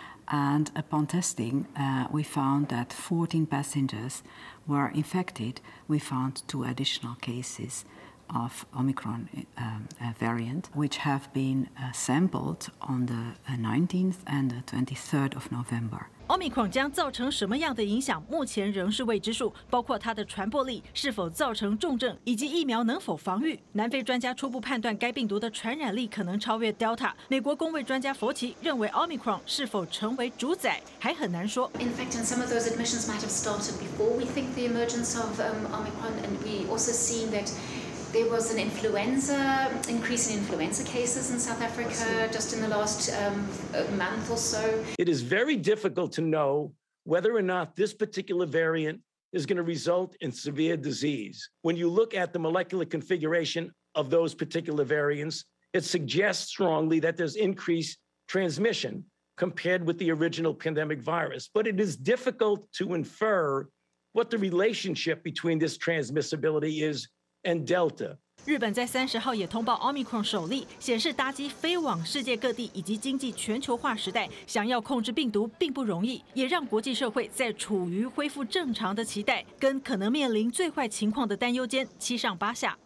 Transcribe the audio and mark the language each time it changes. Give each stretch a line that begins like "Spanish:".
English: And upon testing, we found that 14 passengers were infected. We found 2 additional cases of Omicron variant, which have been sampled on the 19th and the 23rd of November.
Chinese: Omicron 将造成什么样的影响，目前仍是未知数，包括它的传播力、是否造成重症以及疫苗能否防御。南非专家初步判断该病毒的传染力可能超越 Delta。美国公卫专家佛奇认为 Omicron 是否成为主宰还很难说。
English: In fact, in some of those admissions might have started before we think the emergence of Omicron, and we also seen thatThere was an influenza, increase in influenza cases in South Africa just in the last month or so. It is very difficult to know whether or not this particular variant is going to result in severe disease. When you look at the molecular configuration of those particular variants, it suggests strongly that there's increased transmission compared with the original pandemic virus. But it is difficult to infer what the relationship between this transmissibility is. And Delta.
Chinese: 日本在30号也通报 Omicron 首例，显示搭机飞往世界各地以及经济全球化时代，想要控制病毒并不容易，也让国际社会在处于恢复正常的期待跟可能面临最坏情况的担忧间七上八下。